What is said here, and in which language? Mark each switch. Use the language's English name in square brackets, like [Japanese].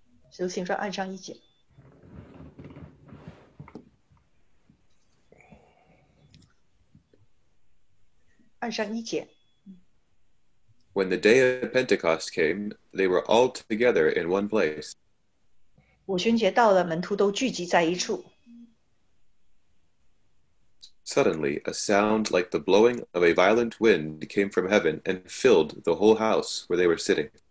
[Chinese] 使徒行传二章一节。二章一节。 [English] When the day of Pentecost came, they were all together in one place. [Chinese] 五旬节到了，门徒都聚集在一处。 [English] Suddenly, a sound like the blowing of a violent wind came from heaven and filled the whole house where they were sitting.